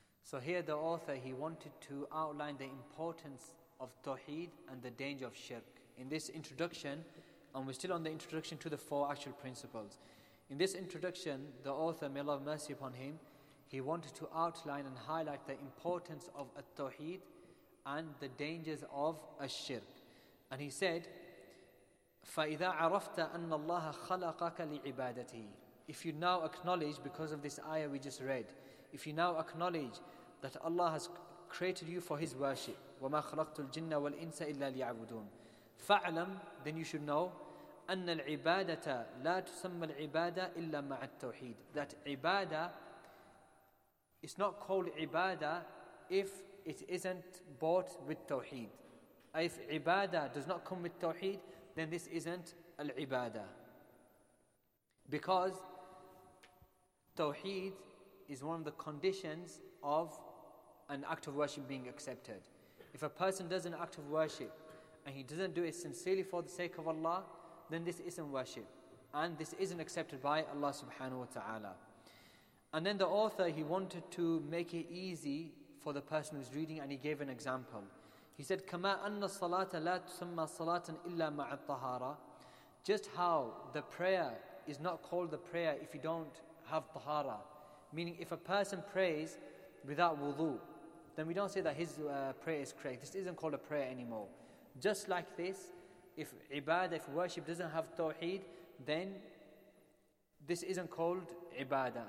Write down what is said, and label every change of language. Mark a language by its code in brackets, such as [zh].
[en] So here the author, he wanted to outline the importance of tawheed and the danger of shirk. In this introduction, and we're still on the introduction to the four actual principles. In this introduction, the author, may Allah have mercy upon him, he wanted to outline and highlight the importance of a tawheed and the dangers of a shirk. And he said, [ar] فَإِذَا عَرَفْتَ أَنَّ اللَّهَ خَلَقَكَ لِعِبَادَتِهِ. [en] If you now acknowledge, because of this ayah we just read, if you now acknowledge that Allah has created you for his worship, [ar] وَمَا خَلَقْتُ الْجِنَّ وَالْإِنسَ إِلَّا لِيَعْبُدُونَ, فَعْلَمْ, [en] then you should know, [ar] أَنَّ الْعِبَادَةَ لَا تُسَمَّ الْعِبَادَةَ إِلَّا مَعَ التَّوْحِيدِ. [en] That ibadah, it's not called ibadah if it isn't bought with tawheed. If ibadah does not come with tawheed, then this isn't al-ibadah. Because tawheed is one of the conditions of an act of worship being accepted. If a person does an act of worship and he doesn't do it sincerely for the sake of Allah, then this isn't worship. And this isn't accepted by Allah subhanahu wa ta'ala. And then the author, he wanted to make it easy for the person who's reading, and he gave an example. He said, [ar] كَمَا أَنَّ الصَّلَاةَ لَا تُسَمَّى صَلَاةً إِلَّا مَعَ الطَّهَارَةِ. [en] Just how the prayer is not called the prayer if you don't have tahara. Meaning if a person prays without wudu, then we don't say that his prayer is correct. This isn't called a prayer anymore. Just like this, if ibadah, if worship doesn't have tawheed, then this isn't called ibadah.